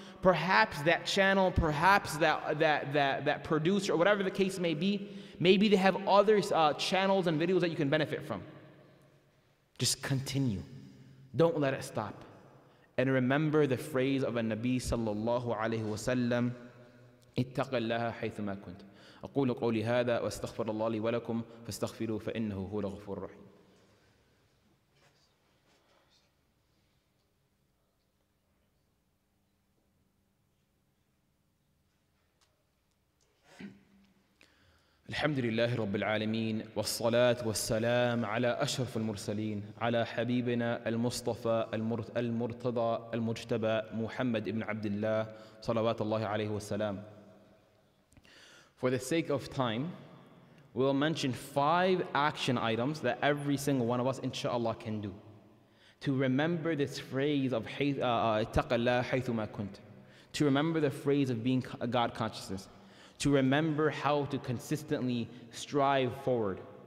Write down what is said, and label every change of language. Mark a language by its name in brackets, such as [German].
[English] Perhaps that channel, perhaps that producer, or whatever the case may be, maybe they have other channels and videos that you can benefit from. Just continue. Don't let it stop. And remember the phrase of a Nabi sallallahu alayhi wa sallam, [Arabic] اتق الله حيث ما كنت. أقول قولي هذا واستغفر الله لي ولكم فاستغفروا فإنه هو الغفور الرحيم. الحمد لله رب العالمين والصلاة والسلام على أشرف المرسلين على حبيبنا المصطفى المرتضى المجتبى محمد ابن عبد الله صلوات الله عليه وسلم. [English] For the sake of time, we'll mention five action items that every single one of us, inshallah, can do to remember this phrase of [Arabic] اتق الله حيث ما كنت, [English] to remember the phrase of being a God consciousness, to remember how to consistently strive forward.